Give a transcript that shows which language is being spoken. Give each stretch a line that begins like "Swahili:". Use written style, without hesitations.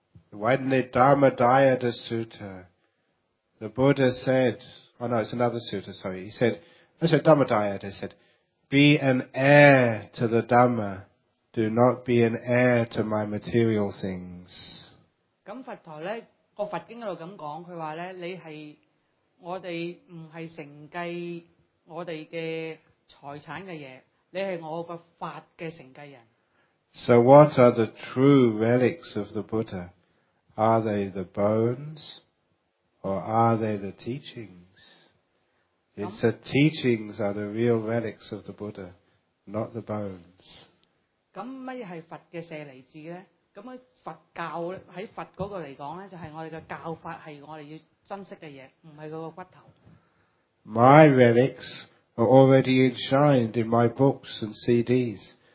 English: When the Dhammadiyada Sutta, the Buddha said, "Oh no, it's another sutta." Sorry, he said, "That's a Dhammadiyada." He said, "Be an heir to the Dhamma. Do not be an heir to my material things."
Cantonese: 咁佛陀咧個佛經嗰度咁講，佢話咧你係。我哋唔係承繼我哋嘅財產嘅嘢，你係我個法嘅承繼人。
English: So what are the true relics of the Buddha? Are they the bones or are they the teachings? It's the teachings are the real relics of the Buddha, not the bones.
Cantonese: 咁乜嘢係佛嘅舍利子咧？咁佛教喺佛嗰個嚟講咧，就係我哋嘅教法係我哋要。珍惜嘅嘢唔係嗰個骨頭。
English: My relics are already enshrined in my books and CDs.